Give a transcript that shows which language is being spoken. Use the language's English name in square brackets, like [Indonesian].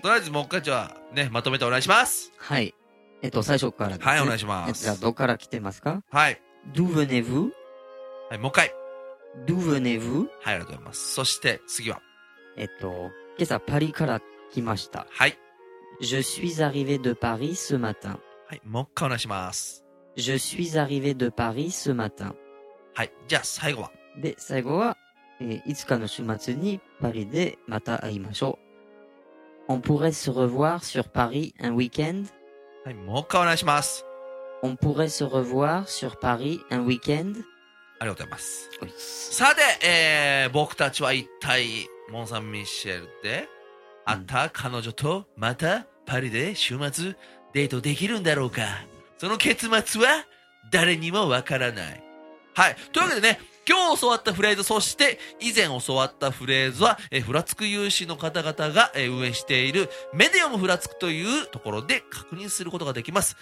[Japanese] とりあえず、もう一回じゃあ、ね、まとめてお願いします。はい。最初からです、ね。はい、お願いします。じゃあ、どっから来てますか？はい。 [French] D'où venez-vous? [Japanese] はい、もう一回。 [French] D'où venez-vous? [Japanese] はい、ありがとうございます。そして、次は。今朝、パリから来ました。はい。 [French] Je suis arrivé de Paris ce matin. [Japanese] はい、もう一回お願いします。 [French] Je suis arrivé de Paris ce matin. [Japanese] はい、じゃあ、最後は。で、最後は、いつかの週末にパリでまた会いましょう。 [French] On pourrait se revoir sur Paris un week-end? [Japanese] はい、もう一回お願いします。 [French] On pourrait se revoir sur Paris un week-end? [Japanese] ありがとうございます。さて、僕たちは一体モンサンミシェルで会った彼女とまたパリで週末デートできるんだろうか。その結末は誰にもわからない。はい、というわけでね、今日教わったフレーズ、そして以前教わったフレーズは、ふらつく有志の方々が、運営しているメディアムふらつくというところで確認することができます。